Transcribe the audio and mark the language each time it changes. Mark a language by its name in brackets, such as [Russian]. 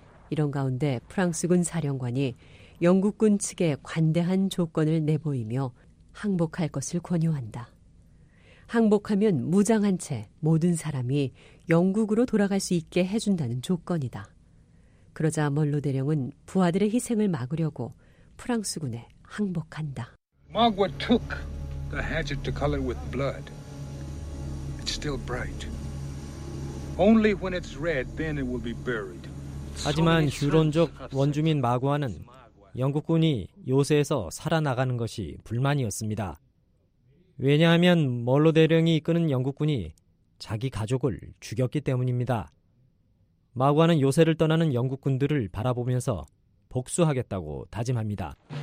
[Korean] 이런 가운데 프랑스군 사령관이 영국군 측에 관대한 조건을 내보이며 항복할 것을 권유한다. 항복하면 무장한 채 모든 사람이 영국으로 돌아갈 수 있게 해준다는 조건이다. 그러자 멀로 대령은 부하들의 희생을 막으려고 프랑스군에 항복한다. [English] Magua took the hatchet to color with blood. It's still bright. Only when it's red, then it will be buried. [Korean] 하지만 휴론족 원주민 마구아는 영국군이 요새에서 살아나가는 것이 불만이었습니다. 왜냐하면 멀로 대령이 이끄는 영국군이 자기 가족을 죽였기 때문입니다. 마구아는 요새를 떠나는 영국군들을 바라보면서 복수하겠다고 다짐합니다.